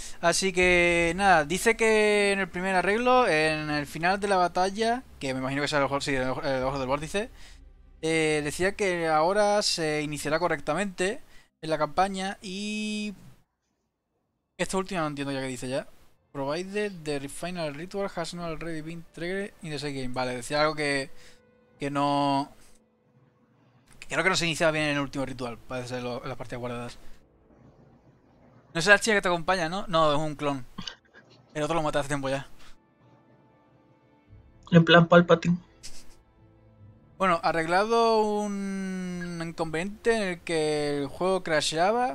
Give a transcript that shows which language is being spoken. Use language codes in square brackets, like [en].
[es] Así que nada, dice que en el primer arreglo, en el final de la batalla, que me imagino que sea el ojo, sí, el ojo del vórtice, decía que ahora se iniciará correctamente en la campaña y. Esta última no entiendo ya qué dice ya. [en] Provided the final ritual has not already been triggered in the same game. [es] Vale, decía algo que no. Creo que no se iniciaba bien en el último ritual, parece ser en las partidas guardadas. No es la chica que te acompaña, ¿no? No, es un clon. El otro lo maté hace tiempo ya. En plan Palpatine. Bueno, arreglado un inconveniente en el que el juego crasheaba.